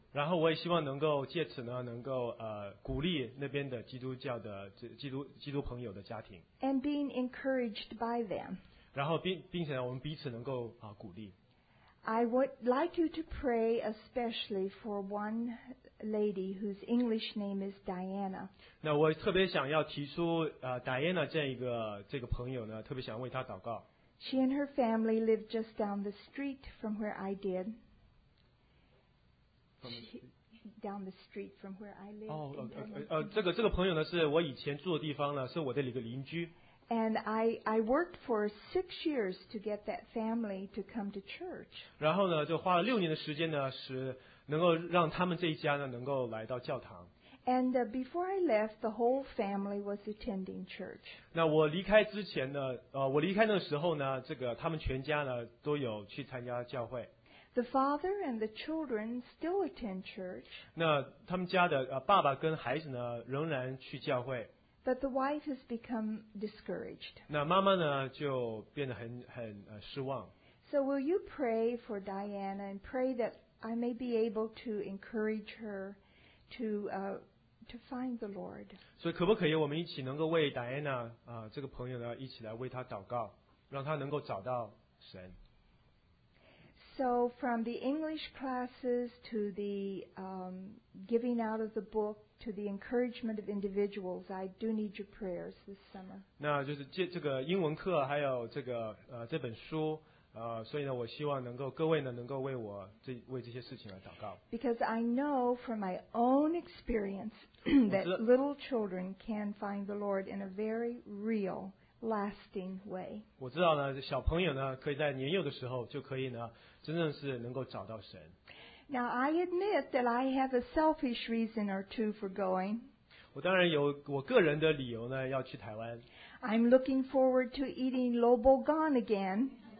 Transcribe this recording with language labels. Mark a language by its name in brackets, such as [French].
[Chinese] 然后我也希望能够借此呢，能够鼓励那边的基督教的基督朋友的家庭。 [English] And being encouraged by them. [Chinese] 然后并且呢，我们彼此能够鼓励。 [English] I would like you to pray especially for one lady whose English name is Diana. [Chinese] 那我特别想要提出Diana 这个朋友呢，特别想为她祷告。 [English] She and her family live just down the street from where I did. Down the street from where I live. Oh, okay. [Chinese] 这个朋友呢，是我以前住的地方呢，是我的一个邻居。 [English] And I worked for 6 years to get that family to come to church. [Chinese] 然后呢，就花了6年的时间呢，使能够让他们这一家呢，能够来到教堂。 [English] And before I left, the whole family was attending church. [Chinese] 那我离开之前呢，我离开那时候呢，这个他们全家呢都有去参加教会。 [English] The father and the children still attend church. [Chinese] 那他们家的爸爸跟孩子呢仍然去教会。 [English] But the wife has become discouraged. [Chinese] 那妈妈呢就变得很失望。 [English] So will you pray for Diana and pray that I may be able to encourage her? To find the Lord. [Chinese] 所以可不可以我们一起能够为 Diana 这个朋友呢一起来为她祷告，让她能够找到神。 [English] So from the English classes to the giving out of the book to the encouragement of individuals, I do need your prayers this summer. [Chinese] 那就是这个英文课还有这本书。所以呢，我希望能够各位呢，能够为这些事情而祷告。 [English] Because I know from my own experience that little children can find the Lord in a very real, lasting way. [Chinese] 我知道呢，小朋友呢，可以在年幼的时候就可以呢，真正是能够找到神。 [English] Now I admit that I have a selfish reason or two for going. [Chinese] 我当然有我个人的理由呢，要去台湾。 [English] I'm looking forward to eating lobogon again.